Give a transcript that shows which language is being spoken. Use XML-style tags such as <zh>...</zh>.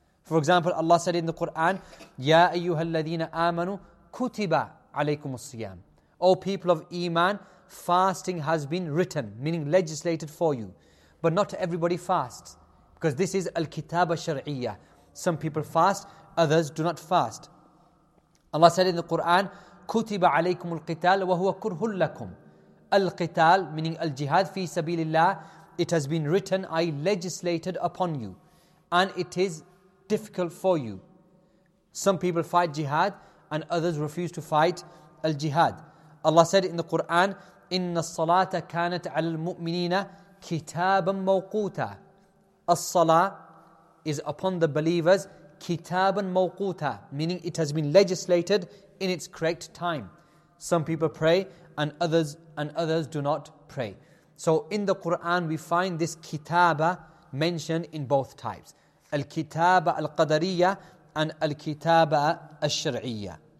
<en>For example, Allah said in the Quran,</en> <ar>Ya ayyuhalladhina amanu kutiba alaykum as-siyam.</ar> <en>O people of Iman, fasting has been written, meaning legislated for you. But not everybody fasts, because this is Al-Kitab al-Shar'iyyah. Some people fast, others do not fast. Allah said in the Quran,</en> <ar>كُتِبَ عَلَيْكُمُ الْقِتَالَ وَهُوَ كُرْهٌ لَكُمْ.</ar> <en>Al-Qital, meaning Al-Jihad fi sabilillah, it has been written, I legislated upon you, and it is difficult for you. Some people fight Jihad, and others refuse to fight Al-Jihad. Allah said in the Quran,</en> <ar>إِنَّ الصَّلَاةَ كَانَتْ عَلَى الْمُؤْمِنِينَ كِتَابًا مَوْقُوتًا.</ar> <en>As-salah is upon the believers,</en> <ar>kitaban mawquta,</ar> <en>meaning it has been legislated in its correct time. Some people pray and others do not pray. So in the Quran we find this kitaba mentioned in both types, al-kitaba al-qadariyah and al-kitaba al-shar'iyah.</en>